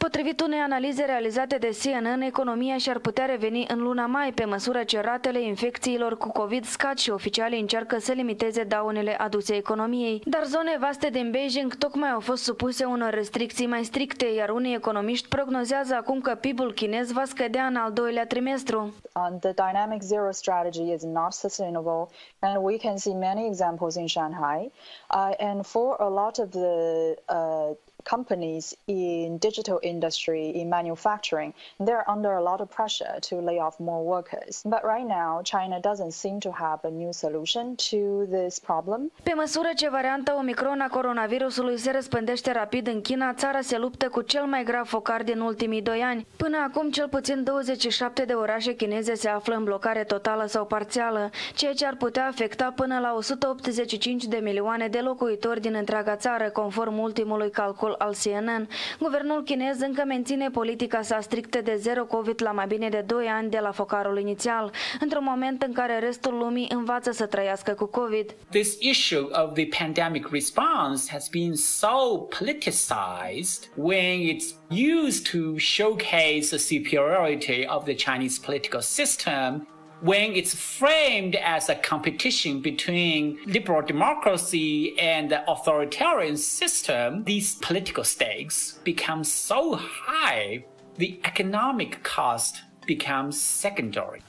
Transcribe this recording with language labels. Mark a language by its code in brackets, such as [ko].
[ro] Potrivit unei analize realizate de CNN, economia și-ar putea reveni în luna mai, pe măsură ce ratele infecțiilor cu COVID scad și oficialii încearcă să limiteze daunele aduse economiei. Dar zone aceste din Beijing tocmai au fost supuse unor restricții mai stricte, iar unii economiști prognozează acum că PIB-ul chinez va scădea în al doilea trimestru. [en] The dynamic zero strategy is not sustainable, and we can see many examples in Shanghai. And for a lot of the companies in digital industry, in manufacturing, they're under a lot of pressure to lay off more workers. But right now, China doesn't seem to have a new solution to this problem. [ro] Pe măsură ce varianta Omicron a coronavirusului se răspândește rapid în China, țara se luptă cu cel mai grav focar din ultimii doi ani. Până acum, cel puțin 27 de orașe chineze se află în blocare totală sau parțială, ceea ce ar putea afecta până la 185 de milioane de locuitori din întreaga țară, conform ultimului calcul al CNN. Guvernul chinez încă menține politica sa strictă de zero COVID la mai bine de 2 ani de la focarul inițial, într-un moment în care restul lumii învață să trăiască cu COVID. [en] This issue of the pandemic response has been so politicized when it's used to showcase the superiority of the Chinese political system, when it's framed as a competition between liberal democracy and the authoritarian system, these political stakes become so high, the economic cost becomes secondary.